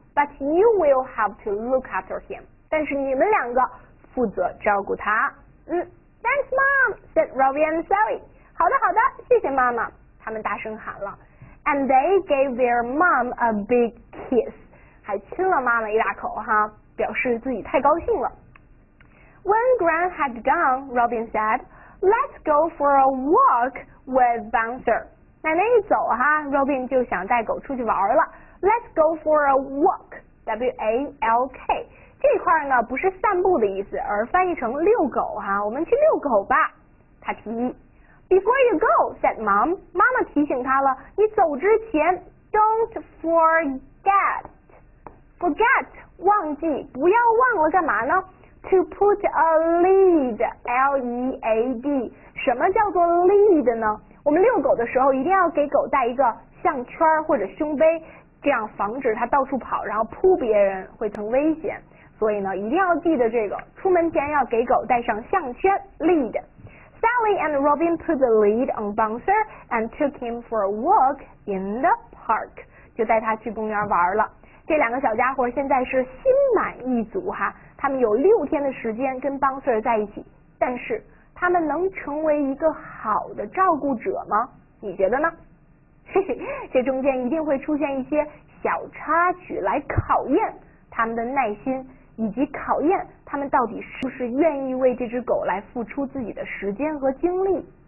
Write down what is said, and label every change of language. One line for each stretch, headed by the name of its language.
English: But you will have to look after him.
Chinese: 但是你们两个负责照顾他。
English: Thanks, Mom, said Robin and Sally.
Chinese: 好的，好的，谢谢妈妈。他们大声喊了。
English: And they gave their mom a big kiss.
Chinese: 还亲了妈妈一大口哈，表示自己太高兴了。
English: When Grand had gone, Robin said, Let's go for a walk with Bouncer.
Chinese: 奶奶一走哈， Robin 就想带狗出去玩了。
English: Let's go for a walk.
Chinese: walk， 这块呢不是散步的意思，而翻译成遛狗哈，我们去遛狗吧。他提议。
English: Before you go， said mom，
Chinese: 妈妈提醒他了，你走之前 ，
English: don't forget，
Chinese: 忘记，不要忘了干嘛呢？
English: To put a lead， L-E-A-D，
Chinese: 什么叫做 lead 呢？我们遛狗的时候一定要给狗带一个项圈或者胸背，这样防止它到处跑，然后扑别人会成危险。所以呢，一定要记得这个，出门前要给狗带上项圈 lead。
English: Sally and Robin put the lead on Bouncer and took him for a walk in the park，
Chinese: 就带他去公园玩了。这两个小家伙现在是心满意足哈。他们有六天的时间跟 Bouncer 在一起，但是他们能成为一个好的照顾者吗？你觉得呢？这中间一定会出现一些小插曲来考验他们的耐心，以及考验他们到底是不是愿意为这只狗来付出自己的时间和精力。